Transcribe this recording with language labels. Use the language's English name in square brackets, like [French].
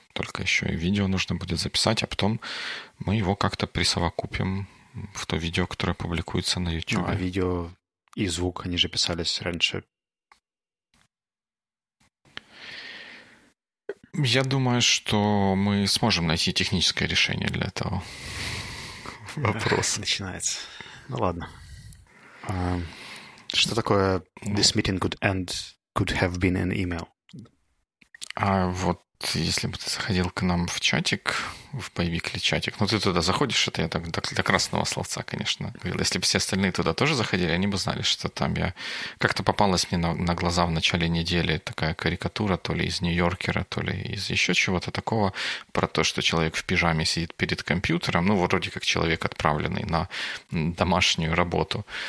[Russian] Только еще и видео нужно будет записать. А потом мы его как-то присовокупим в то видео, которое публикуется на YouTube. Ну, а видео и звук, они же писались раньше. Я думаю, что мы сможем найти техническое решение для этого вопроса. Начинается. Ну ладно. Что такое [English] this meeting could end, could have been an email? [Russian] А вот если бы ты заходил к нам в чатик, в Боевикли чатик, ну ты туда заходишь, это я так для красного словца, конечно, говорил. Если бы все остальные туда тоже заходили, они бы знали, что там я... Как-то попалась мне на глаза в начале недели такая карикатура, то ли из Нью-Йоркера, то ли из еще чего-то такого, про то, что человек в пижаме сидит перед компьютером, ну вроде как человек, отправленный на домашнюю работу.